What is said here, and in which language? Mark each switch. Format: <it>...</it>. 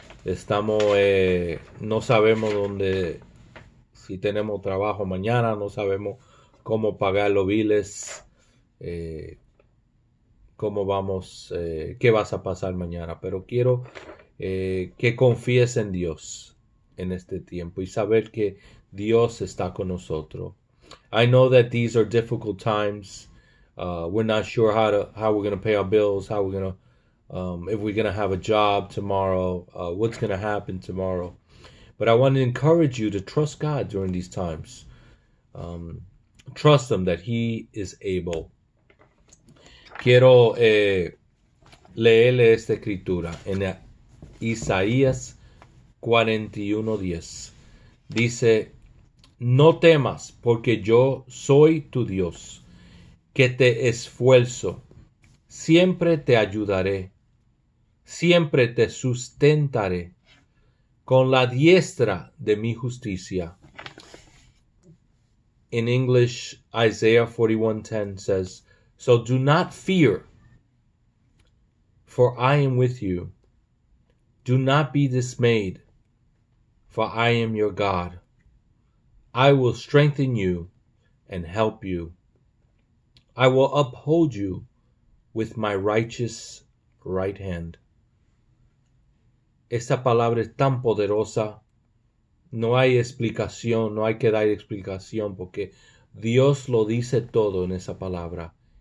<es>Estamos, no sabemos dónde, si tenemos trabajo mañana, no sabemos cómo pagar los biles, cómo vamos, qué vas a pasar mañana. Pero quiero que confíes en Dios en este tiempo y saber que Dios está con nosotros.</es> <en>I know that these are difficult times. We're not sure how we're going to pay our bills, how we're going to, if we're going to have a job tomorrow, what's going to happen tomorrow. But I want to encourage you to trust God during these times. Trust Him that He is able.</en> <es>Quiero leerle esta escritura en Isaías 41:10. Dice, no temas, porque yo soy tu Dios, que te esfuerzo. Siempre te ayudaré. Siempre te sustentaré con la diestra de mi justicia.</es> <en>In English, Isaiah 41:10 says, so do not fear, for I am with you. Do not be dismayed, for I am your God. I will strengthen you and help you. I will uphold you with my righteous right hand.</en> <es>Esta palabra es tan poderosa. No hay explicación, no hay que dar explicación, porque Dios lo dice todo en esa palabra.</es>